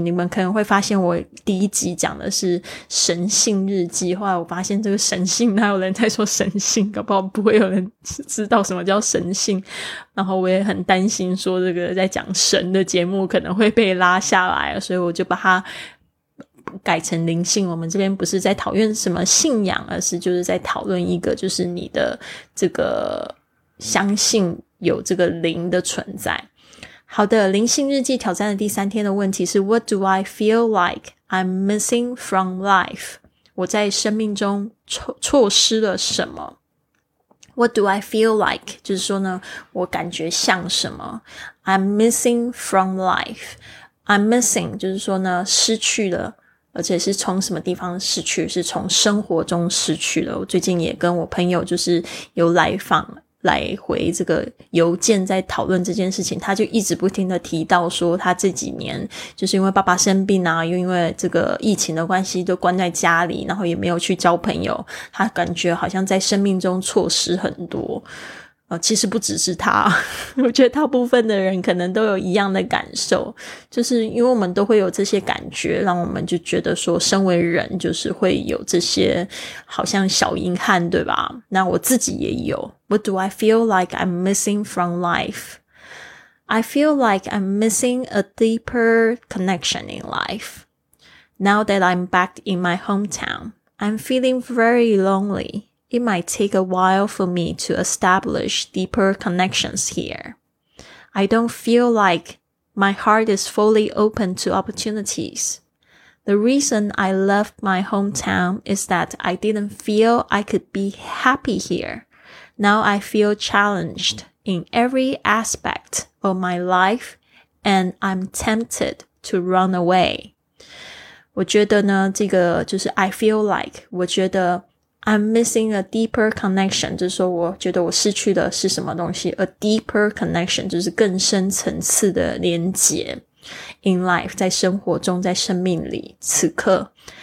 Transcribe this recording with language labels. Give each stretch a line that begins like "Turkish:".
Chinese: 你们可能会发现我第一集讲的是神性日记，后来我发现这个神性哪有人在说神性，搞不好不会有人知道什么叫神性，然后我也很担心说这个在讲神的节目可能会被拉下来，所以我就把它改成灵性。我们这边不是在讨论什么信仰，而是就是在讨论一个就是你的这个相信有这个灵的存在。好的，灵性日记挑战的第三天的问题是
English: What do I feel like I'm missing from life?
Chinese: 我在生命中 错失了什么？
English: What do I feel like?
Chinese: 就是说呢，我感觉像什么？
English: I'm missing from life. I'm missing
Chinese: 就是说呢，失去了，而且是从什么地方失去？是从生活中失去了。我最近也跟我朋友就是有来访来回这个邮件在讨论这件事情，他就一直不停的提到说他这几年就是因为爸爸生病啊，又因为这个疫情的关系都关在家里，然后也没有去交朋友，他感觉好像在生命中错失很多。其实不只是他，我觉得大部分的人可能都有一样的感受，就是因为我们都会有这些感觉，让我们就觉得说身为人就是会有这些好像小遗憾，对吧？那我自己也有。
English: What do I feel like I'm missing from life? I feel like I'm missing a deeper connection in life. Now that I'm back in my hometown, I'm feeling very lonely. It might take a while for me to establish deeper connections here. I don't feel like my heart is fully open to opportunities. The reason I left my hometown is that I didn't feel I could be happy here. Now I feel challenged in every aspect of my life and I'm tempted to run away.
Chinese: 我觉得呢，这个就是
English: I feel like,
Chinese: 我觉得
English: I'm missing a deeper connection,
Chinese: 就是说我觉得我失去的是什么东西。
English: A deeper connection,
Chinese: 就是更深层次的连结。
English: In life,
Chinese: 在生活中，在生命里，此刻。